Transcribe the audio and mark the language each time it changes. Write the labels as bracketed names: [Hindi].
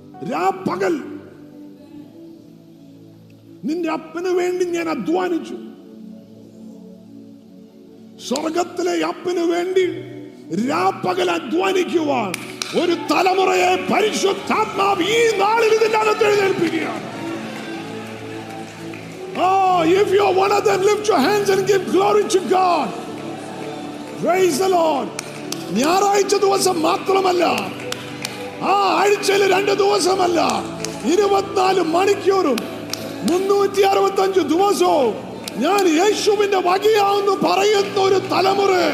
[Malayalam] രാപ്പകൽ നിന്റെ അപ്പന് വേണ്ടി ഞാൻ അധ്വാനിച്ചു. സ്വർഗത്തിലെ അപ്പന് വേണ്ടി രാപ്പകൽ അധ്വാനിക്കുവാൻ ഒരു തലമുറയെ പരിശുദ്ധാത്മാവ് ഈ നാളിൽ ഇതിന്റെ അകത്ത് എഴുന്നേൽപ്പിക്കുകയാണ്. [English] Oh, if you are one of them, lift your hands and give glory to God. Praise the Lord. [Malayalam] ഞായറാഴ്ച ദിവസം മാത്രമല്ല, ആ ആഴ്ചയിൽ രണ്ട് ദിവസമല്ല, 24 മണിക്കൂറും 365 ദിവസവും ഞാൻ യേശുവിന്റെ വകയാണെന്ന് പറയുന്ന ഒരു തലമുറ.